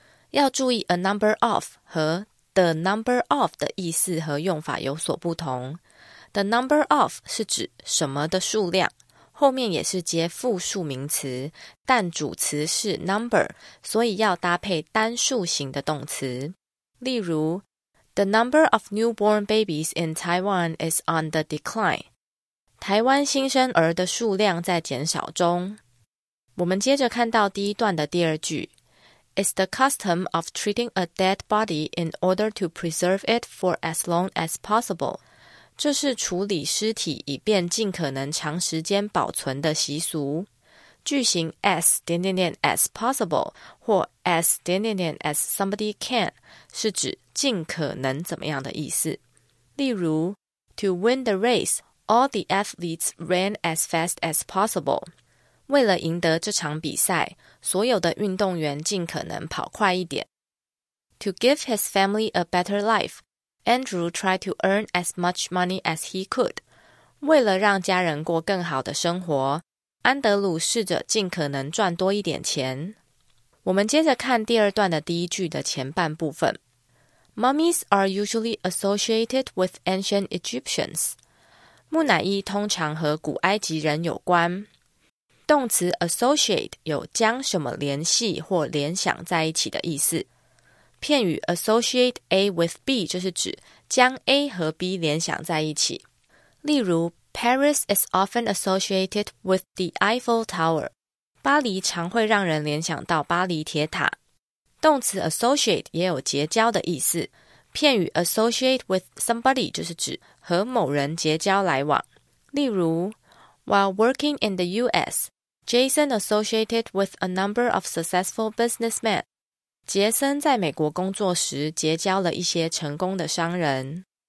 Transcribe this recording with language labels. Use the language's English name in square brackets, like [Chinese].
[Chinese] 要注意 , [English] A number of [Chinese] 和 [English] the number of [Chinese] 的意思和用法有所不同。 [English] The number of [Chinese] 是指什么的数量。后面也是接复数名词，但主词是 number, 所以要搭配单数型的动词。例如 [English] ,The number of newborn babies in Taiwan is on the decline. [Chinese] 台湾新生儿的数量在减少中。我们接着看到第一段的第二句 [English] ,It's the custom of treating a dead body in order to preserve it for as long as possible. [Chinese] 这是处理尸体以便尽可能长时间保存的习俗。句型 [English] as possible [Chinese] 或 [English] as somebody can [Chinese] 是指尽可能怎么样的意思。例如 [English] ,to win the race, all the athletes ran as fast as possible. [Chinese] 为了赢得这场比赛,所有的运动员尽可能跑快一点。 [English] To give his family a better life,Andrew tried to earn as much money as he could. [Chinese] 为了让家人过更好的生活，安德鲁试着尽可能赚多一点钱。我们接着看第二段的第一句的前半部分。 [English] Mummies are usually associated with ancient Egyptians. [Chinese] 木乃伊通常和古埃及人有关。动词 associate 有将什么联系或联想在一起的意思。片语 [English] associate A with B [Chinese] 就是指将 A 和 B 联想在一起。例如 [English] Paris is often associated with the Eiffel Tower. [Chinese] 巴黎常会让人联想到巴黎铁塔。动词 associate 也有结交的意思。片语 [English] associate with somebody [Chinese] 就是指和某人结交来往。例如 [English] ,while working in the US, Jason associated with a number of successful businessmen. [Chinese] 杰森在美国工作时结交了一些成功的商人。